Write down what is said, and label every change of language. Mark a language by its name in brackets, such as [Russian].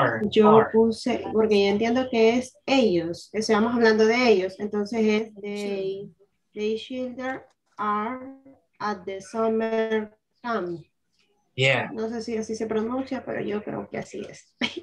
[Spanish] Yo puse, porque yo entiendo que es ellos. Estamos hablando de ellos. Entonces es [English] the children are at the summer camp. Yeah. [Spanish] No sé si así se pronuncia, pero yo creo que así es.